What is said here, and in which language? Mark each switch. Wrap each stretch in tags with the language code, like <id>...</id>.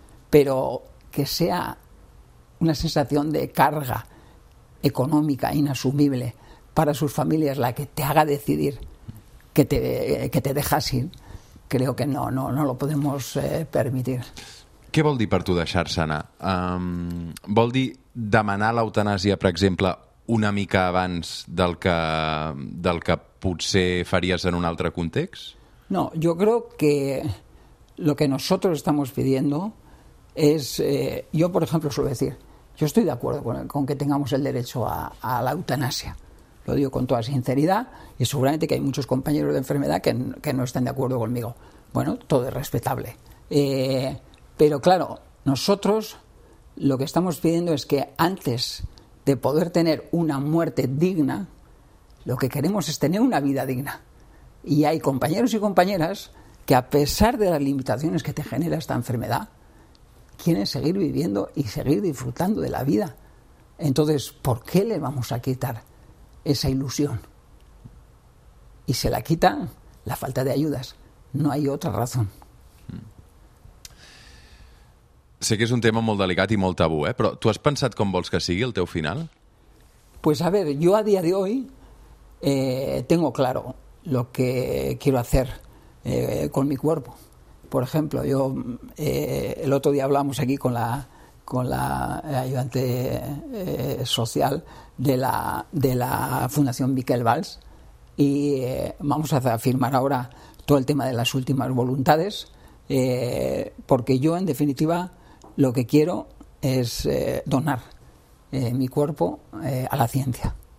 <es>Pero que sea una sensación de carga económica inasumible para sus familias la que te haga decidir que te dejas ir, creo que no lo podemos permitir.</es> <ca>Què vol dir per tu deixar-se anar? Vol dir demanar l'eutanàsia, per exemple, una mica abans del que potser farías en un altre context?</ca> <es>No, yo creo que lo que nosotros estamos pidiendo es... yo, por ejemplo, suelo decir, yo estoy de acuerdo con que tengamos el derecho a la eutanasia. Lo digo con toda sinceridad y seguramente que hay muchos compañeros de enfermedad que no están de acuerdo conmigo. Bueno, todo es respetable. Pero claro, nosotros lo que estamos pidiendo es que antes de poder tener una muerte digna, lo que queremos es tener una vida digna. Y hay compañeros y compañeras que, a pesar de las limitaciones que te genera esta enfermedad, quieren seguir viviendo y seguir disfrutando de la vida. Entonces, ¿por qué le vamos a quitar esa ilusión? Y se la quitan la falta de ayudas. No hay otra razón.</es> <ca>Sé que és un tema molt delicat i molt tabú, però tu has pensat com vols que sigui el teu final?</ca> <es>Pues a ver, yo a día de hoy tengo claro lo que quiero hacer con mi cuerpo. Por ejemplo, yo el otro día hablamos aquí con la ayudante social de la Fundación Miquel Valls y vamos a firmar ahora todo el tema de las últimas voluntades, porque yo, en definitiva, lo que quiero es donar mi cuerpo a la ciencia,</es>